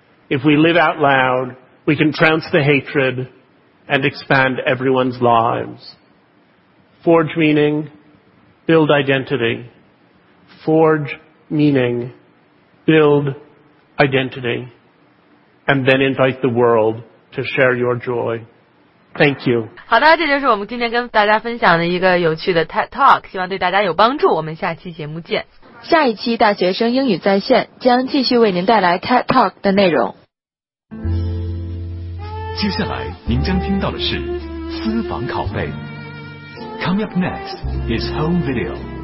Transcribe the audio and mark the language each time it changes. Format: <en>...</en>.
<en>If we live out loud, we can trounce the hatred and expand everyone's lives. Forge meaning, build identity. Forge meaning, build identity. And then invite the world to share your joy. Thank you.</en> <zh>好的，这就是我们今天跟大家分享的一个有趣的 TED Talk， 希望对大家有帮助。我们下期节目见。下一期大学生英语在线将继续为您带来 TED Talk 的内容。接下来您将听到的是私房拷贝。</zh> <en>Coming up next is home video.</en>